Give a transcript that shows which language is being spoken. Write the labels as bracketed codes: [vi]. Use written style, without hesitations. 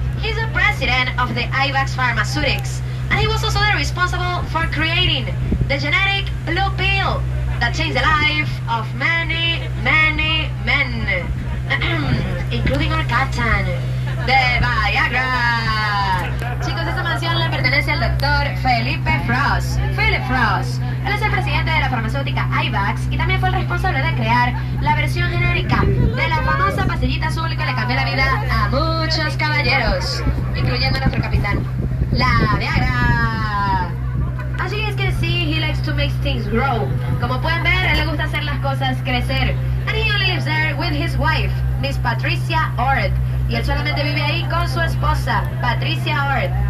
[en] He's the president of the Ibex Pharmaceutics, and he was also the responsible for creating the genetic blue pill that changed the life of many, many men, including our captain, the Viagra. [es] Chicos, esta mansión le pertenece al doctor Felipe Frost. Philip Frost. Él es el presidente de la farmacéutica Ibex y también fue el responsable de crear la versión genérica de la famosa pastillita azul que le cambió la vida a muchos caballeros, incluyendo a nuestro capitán, la Viagra. [en] As you guys can see, he likes to make things grow. [es] Como pueden ver, él le gusta hacer las cosas crecer. [en] And he only lives there with his wife, Miss Patricia Ord. [es] Y él solamente vive ahí con su esposa, Patricia Ord.